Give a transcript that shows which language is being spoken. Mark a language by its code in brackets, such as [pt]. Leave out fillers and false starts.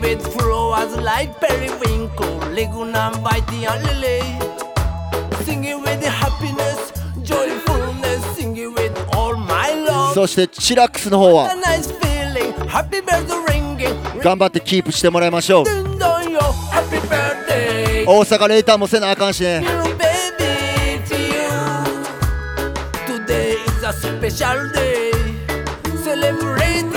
[en] With flowers like periwinkle Lignum by the alley Singing with happiness Joyfulness Singing with all my love。 [ja] そしてチラックスの方は [en] What a nice feeling Happy bells ringing。 [ja] 頑張ってキープしてもらいましょう。 [en] Ding dong yo Happy birthday。 [ja] 大阪レイターもせなあかんしね。 [en] New baby to you Today is a special day Celebrate